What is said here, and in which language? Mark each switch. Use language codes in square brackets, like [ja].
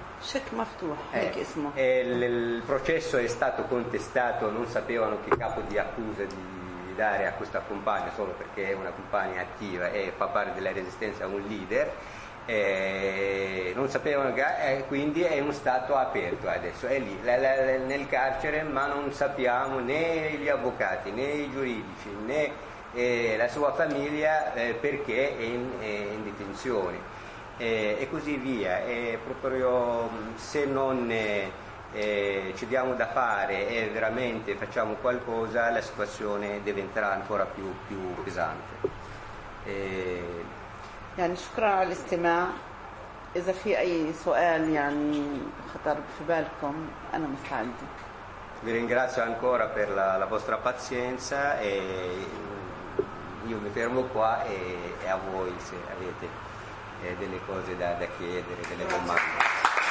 [it] Il processo è stato contestato, non sapevano che capo di accusa di dare a questa compagna, solo perché è una compagna attiva e fa parte della resistenza, un leader, non sapevano che, quindi è un stato aperto adesso, è lì nel carcere, ma non sappiamo né gli avvocati né i giuridici né la sua famiglia perché è in detenzione. E così via, e proprio se non ci diamo da fare e veramente facciamo qualcosa, la situazione diventerà ancora più pesante. [ar] يعني شكرا على الاستماع. إذا في أي سؤال يعني خطر في بالكم أنا مستعد. [it] Vi ringrazio ancora per la vostra pazienza e io mi fermo qua e a voi se avete delle cose da chiedere, delle domande.